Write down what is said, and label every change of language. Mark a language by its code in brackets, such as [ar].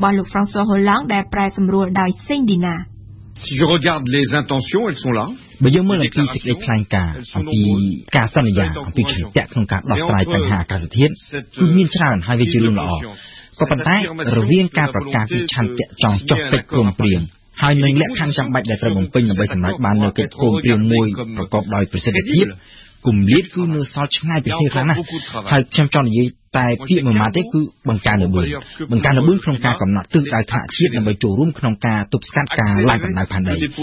[km] François Hollande ដែល ប្រែ សម្រួល ដោយ Saint Dina [fr] Si je regarde les intentions, elles sont là. [km] បើយើងមើលអំពីសេចក្តីថ្លែងការណ៍អំពីការសន្យាអំពីឆន្ទៈក្នុងការដោះស្រាយបញ្ហាអាកាសធាតុគឺមានច្រើនហើយវាជារឿងល្អក៏ប៉ុន្តែរវាងការប្រកាសពីឆន្ទៈចង់ចុះកិច្ចព្រមព្រៀង ហើយនឹងលក្ខខណ្ឌចាំបាច់ដែលត្រូវបំពេញដើម្បីសម្រេចបាននូវកិច្ចព្រមព្រៀងមួយប្រកបដោយប្រសិទ្ធភាព គុំលៀតគឺនៅសល់ឆ្ងាយពីគ្នាខ្លះណាហើយខ្ញុំចង់និយាយតែពាក្យមួយម៉ាត់ទេគឺបង្ការនៅបួនបង្ការនៅបួនក្នុងការកំណត់ទិសដៅថាជាតិដើម្បីចូលរួមក្នុងការទប់ស្កាត់ការឡើងកម្ដៅផែនដី